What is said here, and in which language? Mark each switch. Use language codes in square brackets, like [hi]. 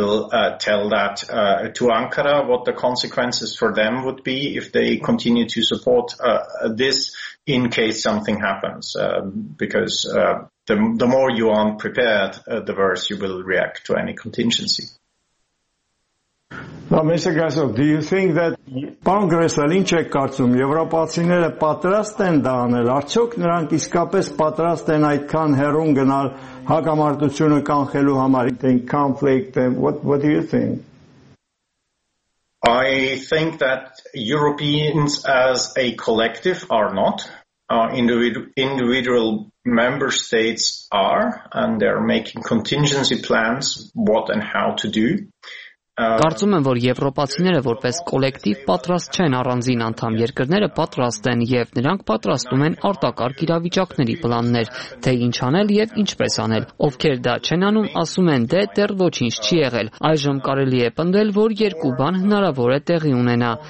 [en] To Ankara what the consequences for them would be if they continue to support this in case something happens, because the more you aren't prepared, the worse you will react to any contingency. Now, Mr. [hy] Gassov, [en] do you think that [hy] Congress-ը ինչ է կարծում, եվրոպացիները պատրաստ են դա անել, արդյոք նրանք իսկապես պատրաստ են այդքան հեռուն գնալ հակամարտությունը կանխելու համար? [en] Think conflict, what do you think? I think that Europeans as a collective are not. Individual member states are, and they're making contingency plans what and how to do. [hy] Կարծում եմ, որ եվրոպացիները որպես կոլեկտիվ պատրաստ չեն, առանձին անդամ երկրները պատրաստ են, եւ նրանք պատրաստում են արտակարգ իրավիճակների պլաններ, թե ինչ անել եւ ինչպես անել։ Ովքեր դա չեն անում, ասում են, դե դեռ ոչինչ չի եղել։ Այժմ կարելի է պնդել, որ երկու բան հնարավոր է տեղի ունենա,